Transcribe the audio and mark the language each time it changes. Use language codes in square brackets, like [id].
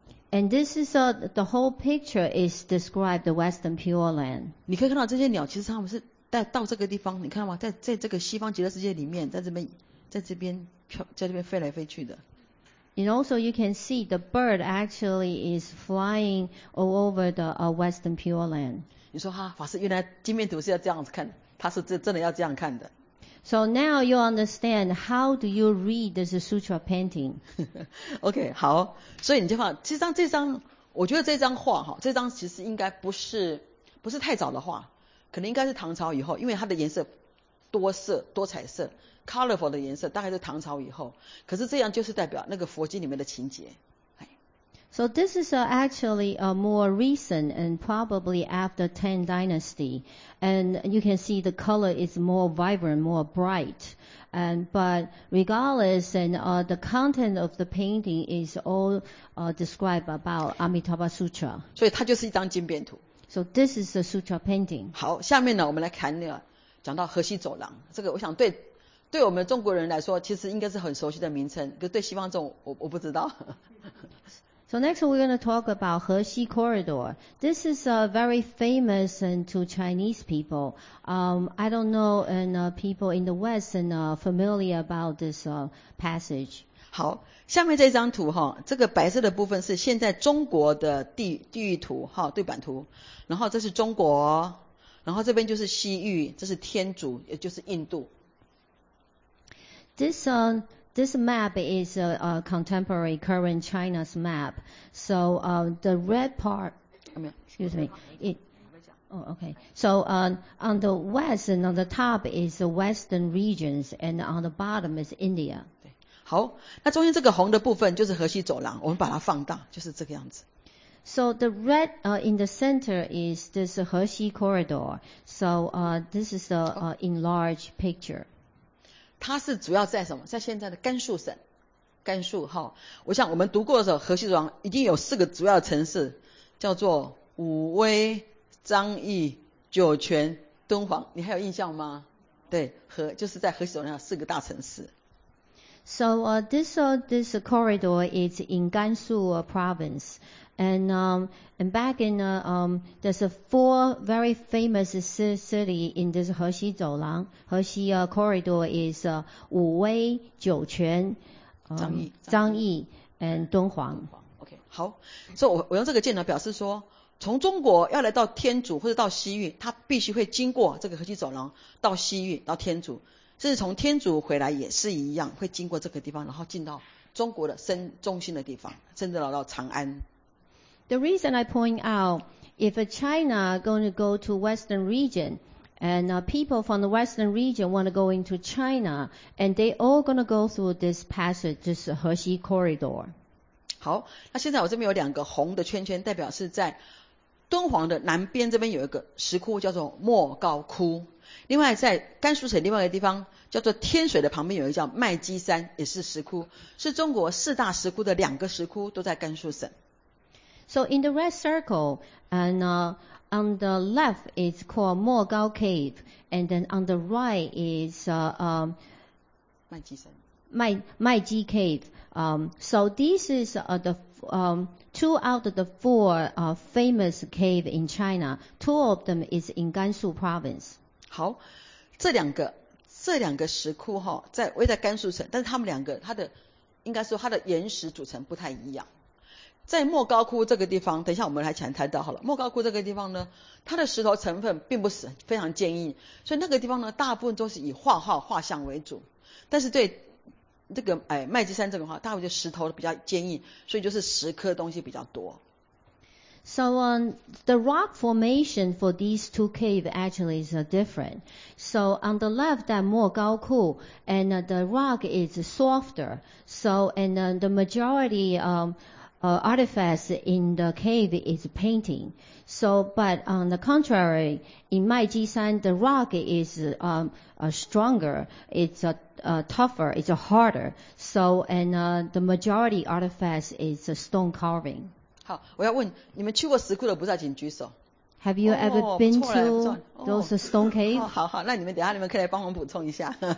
[en] And this is the whole picture is described the Western Pure Land. [zh] 你可以看到这些鸟，其实他们是。到这个地方，你看到吗？在这个西方极乐世界里面，在这边飞来飞去的。 [en] And also, you can see the bird actually is flying all over the Western Pure Land. [zh] 你说哈，法师，原来镜面图是要这样子看，他是真的要这样看的。 [en] So now you understand how do you read this sutra painting? [zh] OK, 好，所以你就看这张，我觉得这张画哈，这张其实应该不是太早的画。可能应该是唐朝以后，因为它的颜色多色多彩色 colorful 的颜色大概是唐朝以后，可是这样就是代表那个佛经里面的情节。 [en] So this is actually a more recent and probably after Tang Dynasty. And you can see the color is more vibrant, more bright. But regardless, the content of the painting is all described about Amitabha Sutra. [zh] 所以它就是一张经变图。 [en] So this is the sutra painting. [zh] 好，下面呢，我们来看呢，讲到河西走廊。这个我想对我们中国人来说，其实应该是很熟悉的名称，可对西方这种，我不知道。 [en] So next we're going to talk about Hexi Corridor. This is very famous and to Chinese people. I don't know and people in the West and familiar about this passage. [zh] 好，下面这张图哈，这个白色的部分是现在中国的地域图哈，对版图。然后这是中国，然后这边就是西域，这是天竺，也就是印度。 [en] This map is a contemporary current China's map. So the red part, excuse me, on the west and on the top is the western regions and on the bottom is India. [zh] 好，那中间这个红的部分就是河西走廊，我们把它放大，就是这个样子。 [en] So the red in the center is this Hexi Corridor. So this is an enlarged picture. [zh] 它是主要在什么？在现在的甘肃省，甘肃哈。我想我们读过的时候，河西走廊一定有四个主要城市，叫做武威、张掖、酒泉、敦煌。你还有印象吗？对，就是在河西走廊四个大城市。 [en] So this corridor is in Gansu province, and back in there's four very famous city in this Hexi Zoulang. Hexi corridor is Wuwei, Jiuquan, Zhangyi, and Dunhuang. [zh] Okay, 好，所以我用这个箭头表示说，从中国要来到天竺或者到西域，它必须会经过这个河西走廊到西域到天竺。甚至从天竺回来也是一样，会经过这个地方，然后进到中国的中心的地方，甚至到长安。 [en] The reason I point out, if China going to go to Western region, and people from the Western region want to go into China, and they all going to go through this passage, this Hexi Corridor. [zh] 好，那现在我这边有两个红的圈圈，代表是在敦煌的南边这边有一个石窟叫做莫高窟。另外在甘肃省另外一个地方叫做天水的旁边有一个叫麦积山，也是石窟，是中国四大石窟的两个石窟都在甘肃省。 [en] So in the red circle, and on the left is called Mo Gao Cave, and then on the right is [zh] 麦积山。 [en] 麦积 Cave. So this is two out of the four famous cave in China. Two of them is in Gansu province. [zh] 好，这两个石窟哈，位在甘肃省，但是他们两个应该说它的岩石组成不太一样。在莫高窟这个地方，等一下我们来前谈到好了。莫高窟这个地方呢，它的石头成分并不是非常坚硬，所以那个地方呢，大部分都是以画像为主，但是对。这个麦积山这个话，大部分就石头比较坚硬，所以就是石刻的东西比较多。 [en] So the rock formation for these two caves actually is different. So on the left, that Mo Gao Ku, and the rock is softer. So and the majority artifacts in the cave is painting. So but on the contrary, in 麦积山 the rock is stronger. It's tougher, it's harder. So, and the majority artifacts is stone carving. [zh] 好，我要问你们去过石窟的不要紧举手。 [en] Have you ever been to those stone caves? [zh] 好，那你们等一下你们可以来帮我补充一下。